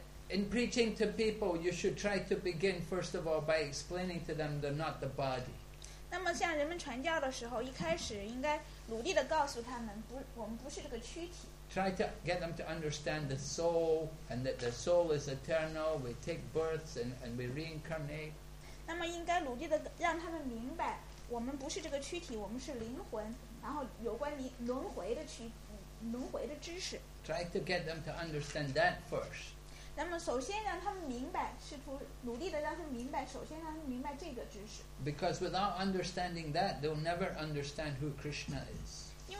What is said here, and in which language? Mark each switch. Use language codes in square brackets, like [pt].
[en] In preaching to people, you should try to begin first of all by explaining to them they're not the body. Try to get them to understand the soul and that the soul is eternal. We take births and we reincarnate. [zh] 那么应该努力的让他们明白，我们不是这个躯体，我们是灵魂，然后有关于轮回的知识。 [en] Try to get them to understand that first. [zh] 那么首先让他们明白，试图努力的让他们明白，首先让他们明白这个知识。 [en] Because without understanding that, they'll never understand who Krishna is.